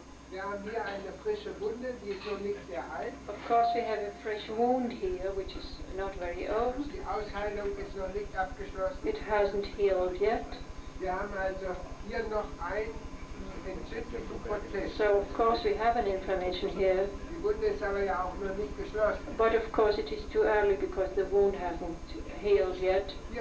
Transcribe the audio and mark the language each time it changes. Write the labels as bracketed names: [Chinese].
[German] Wir haben hier eine frische Wunde, die ist noch nicht sehr alt. [English] Of course we have a fresh wound here, which is not very old. [German] Die Ausheilung ist noch nicht abgeschlossen. [English] It hasn't healed yet. [German] Wir haben also hier noch einen entzündlichen Prozess. [English] So of course we have an inflammation here. [German] Die [English] But of course it is too early because the wound hasn't healed yet.